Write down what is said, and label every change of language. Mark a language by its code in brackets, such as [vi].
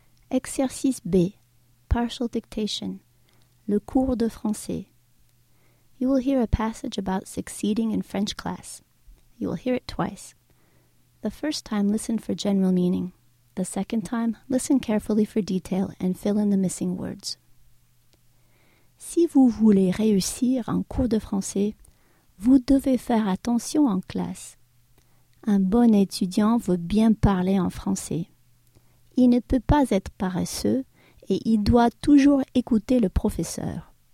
[fr] Exercice B, [en] partial dictation, [fr] le cours de français. [en] You will hear a passage about succeeding in French class. You will hear it twice. The first time, listen for general meaning. The second time, listen carefully for detail and fill in the missing words. [fr] Si vous voulez réussir en cours de français, vous devez faire attention en classe. Un bon étudiant veut bien parler en français. Il ne peut pas être paresseux et il doit toujours écouter le professeur.